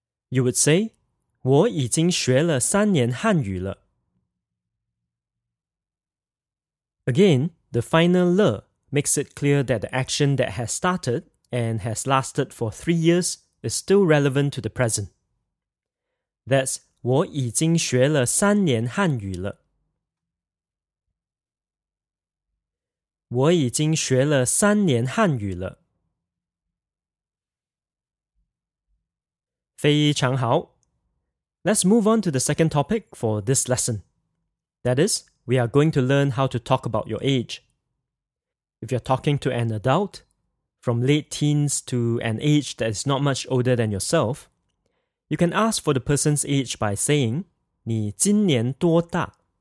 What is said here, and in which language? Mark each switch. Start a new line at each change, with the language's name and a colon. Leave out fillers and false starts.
English: You would say,
Chinese: 我已经学了三年汉语了.
English: Again, the final 了 makes it clear that the action that has started and has lasted for 3 years is still relevant to the present.
Chinese: That's 我已经学了三年汉语了。我已经学了三年汉语了。非常好!
English: Let's move on to the second topic for this lesson. That is, we are going to learn how to talk about your age. If you're talking to an adult, from late teens to an age that is not much older than yourself, you can ask for the person's age by saying,
Chinese: 你今年多大?